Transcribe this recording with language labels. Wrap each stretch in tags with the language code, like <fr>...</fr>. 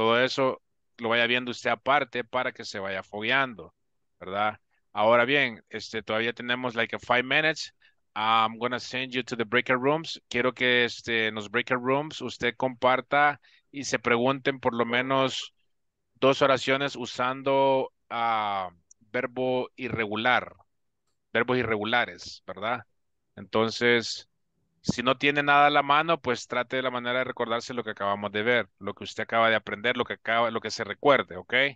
<es>Todo eso lo vaya viendo usted aparte para que se vaya fogueando, ¿verdad? Ahora bien, todavía tenemos</es> <en>like a 5 minutes. I'm gonna send you to the breakout rooms.</en> <es>Quiero que en los breakout rooms usted comparta y se pregunten por lo menos dos oraciones usando verbo irregular, verbos irregulares, ¿verdad? Entonces, si no tiene nada a la mano, pues trate de la manera de recordarse lo que acabamos de ver, lo que usted acaba de aprender, lo que se recuerde, ¿ok?</es>